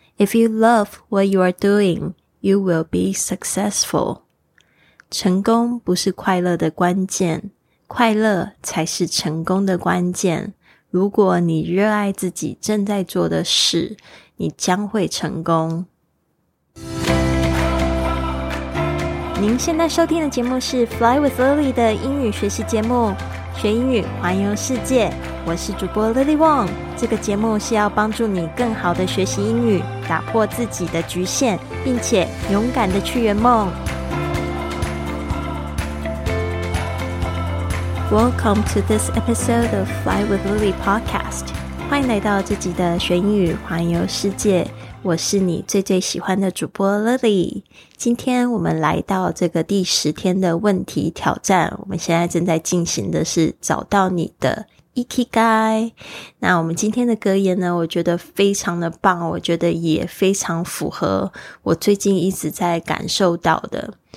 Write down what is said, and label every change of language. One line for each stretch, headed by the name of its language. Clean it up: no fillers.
English: If you love what you are doing, you will be successful.
Chinese: 成功不是快乐的关键，快乐才是成功的关键。如果你热爱自己正在做的事，你将会成功。您现在收听的节目是 Fly with Lily 的英语学习节目，学英语环游世界。我是主播 Lily Wong， 这个节目是要帮助你更好的学习英语，打破自己的局限，并且勇敢的去圆梦。
English: Welcome to this episode of Fly with Lily podcast，
Chinese: 欢迎来到这集的学英语环游世界，我是你最最喜欢的主播 Lily。今天我们来到这个第十天的问题挑战，我们现在正在进行的是找到你的 Ikigai。那我们今天的格言呢，我觉得非常的棒，我觉得也非常符合我最近一直在感受到的。